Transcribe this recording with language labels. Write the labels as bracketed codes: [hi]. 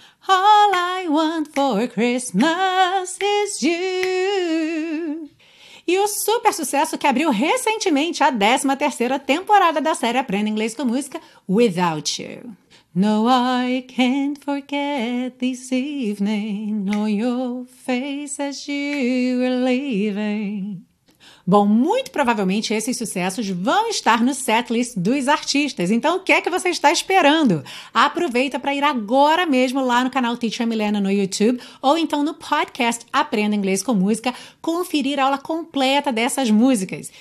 [en] All I Want for Christmas is You. [pt] E o super sucesso que abriu recentemente a 13ª temporada da série Aprenda Inglês com Música, Without You. [en] No, I can't forget this evening, nor your face as you are leaving. [pt] Bom, muito provavelmente esses sucessos vão estar no setlist dos artistas. Então, o que é que você está esperando? Aproveita para ir agora mesmo lá no canal Teacher Milena no YouTube ou então no podcast Aprenda Inglês com Música, conferir a aula completa dessas músicas.